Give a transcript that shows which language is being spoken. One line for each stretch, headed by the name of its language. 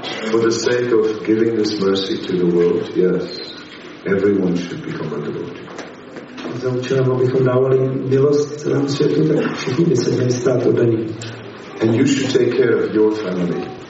English: For the sake of giving this mercy to the world, yes, everyone should become a devotee.
Czech: Za účelem, abychom dávali milost celému světu, tak všichni by se měli stát oddaní.
English: And you should take care of your family.